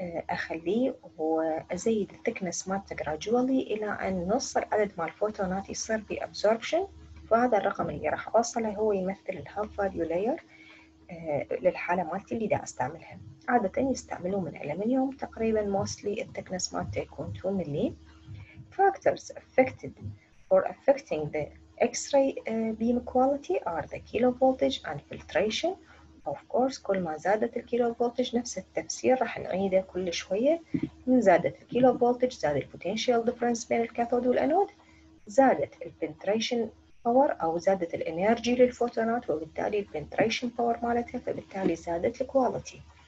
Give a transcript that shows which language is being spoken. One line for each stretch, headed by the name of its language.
Arabic: أخليه وأزيد thickness مالته gradually إلى أن نص العدد مال الفوتونات يصير بـ absorption، فهذا الرقم اللي راح أوصله هو يمثل الـ half value layer للحالة مالتي اللي دا أستعملها. عادة يستعملوا من aluminium تقريبا mostly الـ thickness مالته يكون 2 ملي.
English: Factors affected or affecting the X-ray beam quality are the kilo voltage and filtration. Of course,
Arabic: كل ما زادت الكيلو فولتج نفس التفسير راح نعيده كل شوية. من زادت الكيلو فولتج زاد البوتنشال ديفرنس بين الكاثود والأنود، زادت البنتريشن باور أو زادت الإنرجي للفوتونات وبالتالي البنتريشن باور مالتها، فبالتالي زادت الكواليتي.